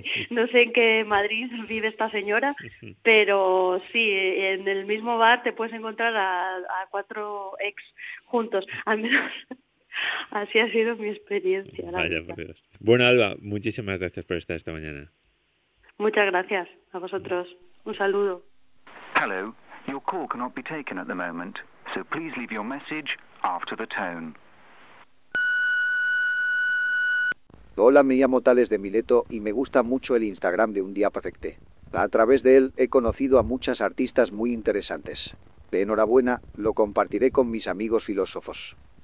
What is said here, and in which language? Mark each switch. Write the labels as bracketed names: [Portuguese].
[Spanish] No sé en qué Madrid vive esta señora, pero sí, en el mismo bar te puedes encontrar a cuatro ex juntos. Al menos así ha sido mi experiencia, la Vaya, verdad. por Dios. Bueno, Alba, muchísimas gracias por estar esta mañana. Muchas gracias a vosotros. Un saludo. [English] Hello, your call cannot be taken at the moment, so please leave your message after the tone. [Spanish] Hola, me llamo Tales de Mileto y me gusta mucho el Instagram de Un Día Perfecto. A través de él he conocido a muchas artistas muy interesantes. De enhorabuena, lo compartiré con mis amigos filósofos.